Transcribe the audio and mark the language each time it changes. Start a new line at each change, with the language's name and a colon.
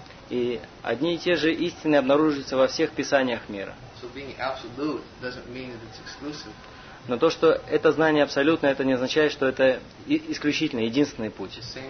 Russian: И одни и те же истины обнаруживаются во всех писаниях мира.
English: So being absolute doesn't mean that it's exclusive.
Russian: Но то, что это знание абсолютное, это не означает, что это исключительно единственный путь.